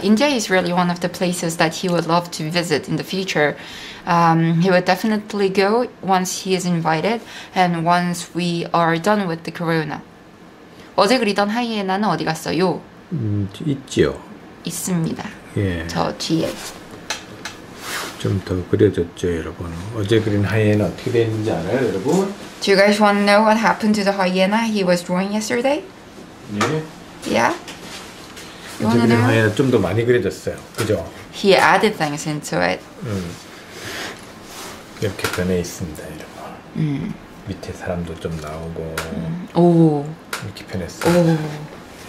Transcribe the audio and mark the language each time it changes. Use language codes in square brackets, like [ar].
[en] India is really one of the places that he would love to visit in the future. He would definitely go once he is invited and once we are done with the corona. [ko] 어제 그리던 하이에나는 어디 갔어요? 있죠. 있습니다. 예. 저 뒤에. 좀 더 그려졌죠, 여러분. 어제 그린 하이에나 어떻게 됐는지 알아요, 여러분? [en] Do you guys want to know what happened to the hyena he was drawing yesterday? [ko] 예. [en] Yeah. [ko] 어제 그린 하이에나 좀 더 많이 그려졌어요. 그죠? [en] He added things into it. [ko] 이렇게 변해 있습니다, 여러분. 밑에 사람도 좀 나오고. 오. 이렇게 변했어요. 오.